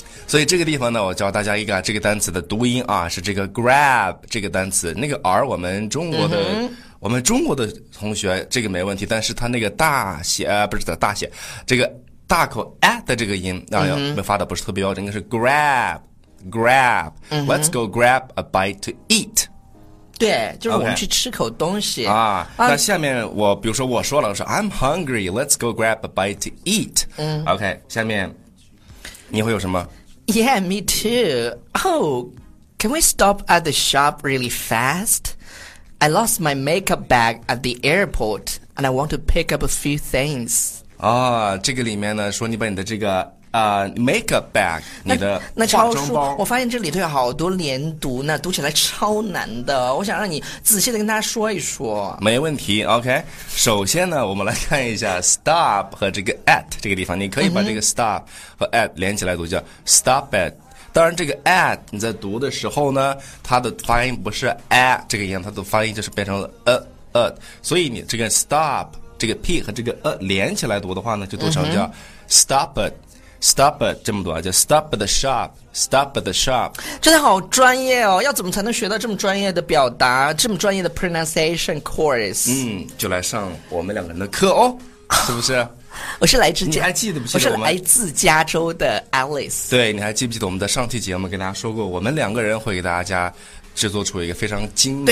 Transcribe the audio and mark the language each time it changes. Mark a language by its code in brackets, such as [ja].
[zh] 所以这个地方呢，我教大家一个这个单词的读音啊，是这个 grab 这个单词，那个 r 我们中国的同学这个没问题，但是他那个大写不是的大写，这个大口 a 的这个音啊，发的不是特别标准，应该是 grab， [en] let's go grab a bite to eat。 [zh] 对，就是我们去吃口东西、 [en] okay. [zh] 那下面我比如说我说了，我说 [en] I'm hungry， let's go grab a bite to eat。 [zh] OK， 下面你会有什么？ [en] Yeah, me too. Oh, can we stop at the shop really fast? I lost my makeup bag at the airport, and I want to pick up a few things. [zh] 啊，这个里面呢，说你把你的这个makeup bag， 你的化妆包。那超叔，我发现这里头有好多连读呢，读起来超难的。我想让你仔细的跟大家说一说。没问题 ，OK。首先呢，我们来看一下 stop 和这个 at 这个地方，你可以把这个 stop 和 at 连起来读，叫 stop at。当然，这个 at 你在读的时候呢，它的发音不是 at 这个音，它的发音就是变成了所以你这个 stop 这个 p 和这个连起来读的话呢，就读成叫 stop at。 [en] stop at [zh] 这么多，叫 [en] stop at the shop, stop at the shop。 [zh] 真的好专业哦，要怎么才能学到这么专业的表达，这么专业的 pronunciation course？嗯，就来上我们两个人的课哦，是不是？我是来自你还记得不记得我们来自加州的 Alice？对，你还记不记得我们在上期节目给大家说过，我们两个人会给大家制作出一个非常精美的